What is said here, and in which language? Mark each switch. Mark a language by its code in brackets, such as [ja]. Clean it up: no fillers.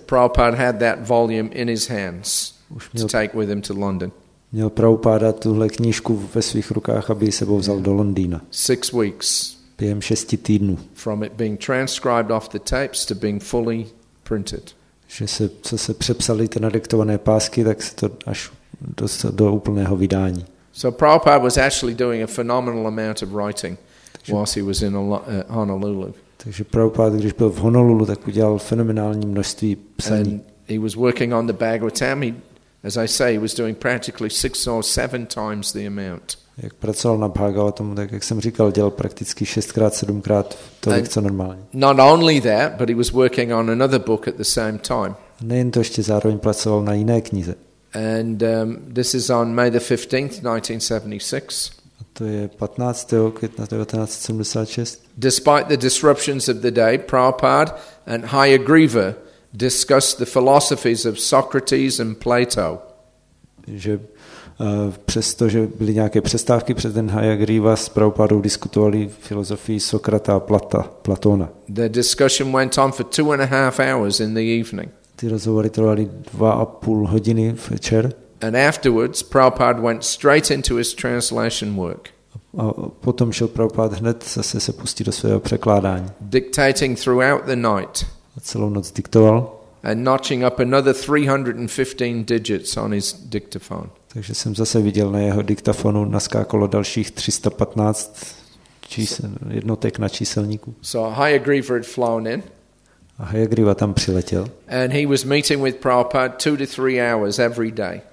[en] Prabhupada had that volume in his hands to take with him to London. [cs] Měl Prabhupada tuhle knížku ve svých rukách, aby ji sebou vzal do Londýna. [en] 6 weeks. [cs] Během 6 týdnů. [en] From it being transcribed off the tapes to being fully printed. [cs] Že se, co se přepsali ty nadiktované pásky, tak se to až dostal do úplného vydání. [en] So Prabhupada was actually doing a phenomenal amount of writing whilst he was in Honolulu. [cs] Takže Prabhupada, když byl v Honolulu, tak udělal fenomenální množství psaní. [en] And he was working on the Bhagavatam. As I say, he was doing practically 6 or 7 times the amount. [cs] Jak pracoval na Bhagavatamu, tak jak jsem říkal, dělal prakticky 6x, 7x tolik, co normálně. [en] Not only that, but he was working on another book at the same time. [cs] Nejen to, ještě zároveň pracoval na jiné knize. [en] And this is on May the 15th, 1976. [cs] A to je 15. května 1976. [en] Despite the disruptions of the day, Prabhupada and Hayagriva discussed the philosophies of Socrates and Plato. [cs] Že přesto, že byly nějaké přestávky přes den, Hayagriva s Prabhupadou diskutovali filozofii Sokrata a Platona. [en] The discussion went on for 2.5 hours in the evening. [cs] Ty rozhovory trvaly 2.5 hodiny večer. [en] And afterwards, Prabhupada went straight into his translation work. [cs] A potom šel Prabhupada hned zase se pustit do svého překládání. [en] Dictating throughout the night. [cs] A celou noc diktoval. [en] And notching up another 315 digits on his dictaphone. [cs] Takže jsem zase viděl na jeho diktafonu naskákalo dalších 315 čísel, jednotek na číselníku. [en] So Hayagriva had flown in. [cs] A Hayagriva tam přiletěl. [en] And he was meeting with Prabhupada 2 to 3 hours every day.